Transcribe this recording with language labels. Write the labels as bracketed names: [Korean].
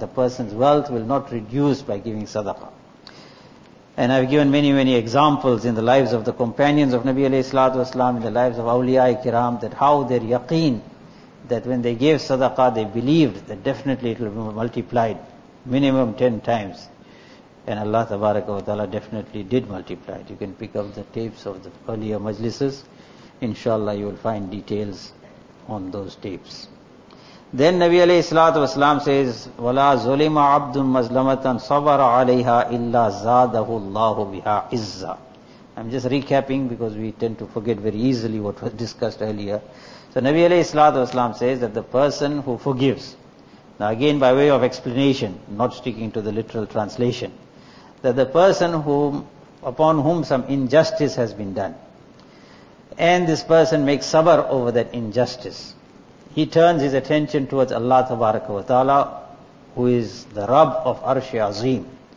[English] The person's wealth will not reduce by giving sadaqah. And I've given many, many examples in the lives of the companions of Nabi alayhi salatu wasalam, in the lives of awliya-i kiram, that how their yaqeen, that when they gave sadaqah, they believed that definitely it will be multiplied minimum 10 times. And Allah tabaraka wa ta'ala definitely did multiply it. You can pick up the tapes of the earlier majlises. Inshallah, you will find details on those tapes. Then Nabi alayhi salatu wasalam says, [Arabic] وَلَا ظُلِمَ عَبْدٌ مَظْلَمَةً صَبَرَ عَلَيْهَا إِلَّا زَادَهُ اللَّهُ بِهَا عِزَّةً. [English] I'm just recapping because we tend to forget very easily what was discussed earlier. So Nabi alayhi salatu wasalam says that the person who forgives, now again by way of explanation, not sticking to the literal translation, that the person whom, upon whom some injustice has been done, and this person makes sabr over that injustice, he turns his attention towards Allah Tabaraka wa Ta'ala, who is the Rabb of Arshi Azim.